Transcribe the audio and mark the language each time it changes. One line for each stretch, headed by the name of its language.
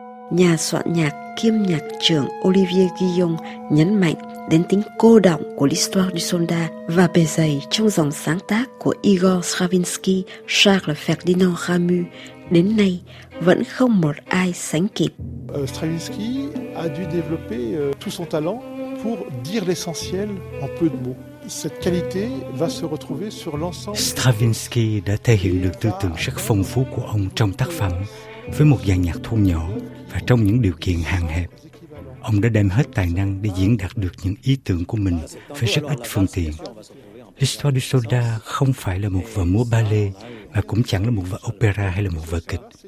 Vietnamese: Nhà soạn nhạc kiêm nhạc trưởng Olivier Guillon nhấn mạnh đến tính cô đọng của L'Histoire du Soldat và bề dày trong dòng sáng tác của Igor Stravinsky, Charles Ferdinand Camus đến nay vẫn không một ai sánh kịp.
French: Stravinsky a dû développer tout son talent pour dire l'essentiel en peu de mots. Cette qualité va se retrouver sur l'ensemble.
Vietnamese: Stravinsky đã thể hiện được tư tưởng rất phong phú của ông trong tác phẩm với một dàn nhạc thu nhỏ và trong những điều kiện hạn hẹp. Ông đã đem hết tài năng để diễn đạt được những ý tưởng của mình với rất ít phương tiện. L'Histoire du Soldat không phải là một vở múa ballet, mà cũng chẳng là một vở opera hay là một vở kịch.